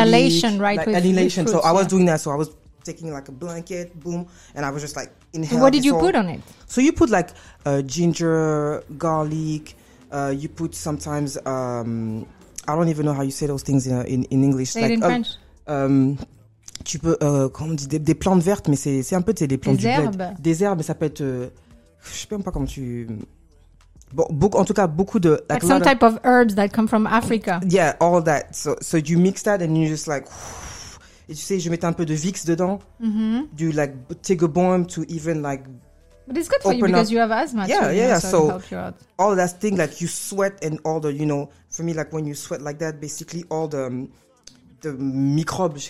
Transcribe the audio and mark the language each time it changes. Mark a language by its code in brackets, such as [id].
[en] Some inhalation, right? Like inhalation. Fruits, so I was doing that. So I was taking like a blanket, boom, and I was just like inhaling. What did you put on it? So you put like ginger, garlic. You put sometimes I don't even know how you say those things in English. Say like it in French. [fr] Tu peux comment dire des plantes vertes, mais c'est un peu c'est des plantes des du herbes. Bled. Des herbes, mais ça peut être je sais pas comment tu. Bon, en tout cas, beaucoup de [en] like some type of herbs that come from Africa. Yeah, all that. So you mix that and you just like. [fr] Et tu sais, je mettais un peu de Vicks dedans, du [en] like Tiger Balm to even like. But it's good for you because you have asthma. Yeah, too, yeah. You know, so all that thing like you sweat and all the, you know, for me like when you sweat like that, basically all the microbes.